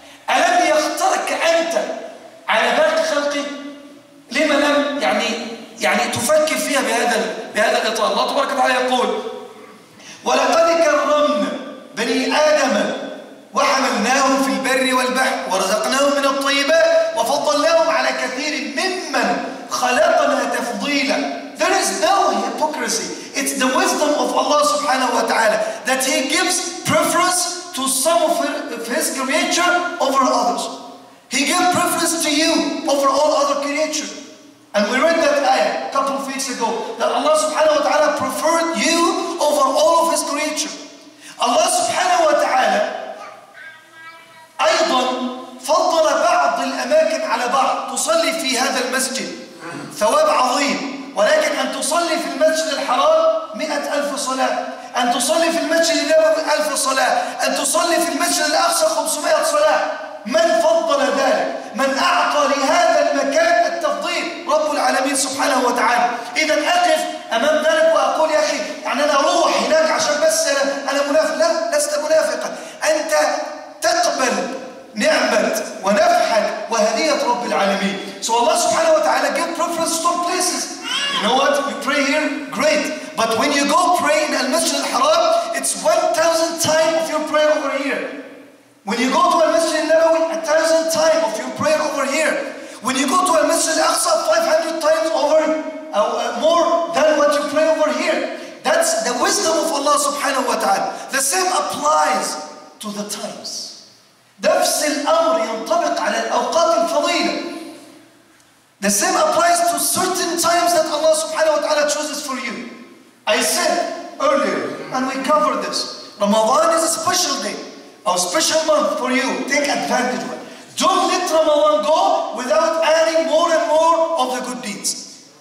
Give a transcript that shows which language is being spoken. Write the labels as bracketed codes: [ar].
[ar] ألم يختارك أنت على باقي خلقه؟ لما لم يعني تفكر فيها بهذا الإطار؟ الله تبارك وتعالى يقول ولقد كرمنا بني آدم وحملناهم في البر والبحر ورزقناهم من الطيبات وفضلناهم على كثير ممن خلقنا تفضيلا. [en] There is no hypocrisy. It's the wisdom of Allah subhanahu wa ta'ala that He gives preference to some of His creature over others. He gives preference to you over all other creatures. And we read that ayah a couple of weeks ago, that Allah subhanahu wa ta'ala preferred you over all of His creatures. [ar] Allah subhanahu wa ta'ala أيضا فضل بعض الأماكن على بعض. تصلي في هذا المسجد ثواب عظيم، ولكن أن تصلي في المسجد الحرام 100,000 صلاة، أن تصلي في المسجد النبوي 1,000 صلاة، أن تصلي في المسجد الأقصى 500 صلاة. من فضل ذلك؟ من أعطى لهذا المكان التفضيل؟ رب العالمين سبحانه وتعالى. إذا أقف أمام ذلك وأقول يا أخي يعني أنا أروح هناك عشان بس أنا منافق؟ لا، لست منافقا. أنت تقبل نعمة ونفحة وهدية رب العالمين. [en] So Allah subhanahu wa ta'ala give preference to places. You know what? You pray here? Great. But when you go pray in Al-Masjid Al-Haram, it's 1,000 times of your prayer over here. When you go to Al-Masjid Al-Nabawi, 1,000 times of your prayer over here. When you go to Al-Masjid Al-Aqsa, 500 times over more than what you pray over here. That's the wisdom of Allah subhanahu wa ta'ala. The same applies to the times. [ar] نفس الأمر ينطبق على الأوقات الفضيلة. [en] The same applies to certain times that Allah subhanahu wa ta'ala chooses for you. I said earlier, and we covered this, Ramadan is a special day, a special month for you. Take advantage of it. Don't let Ramadan go without adding more and more of the good deeds.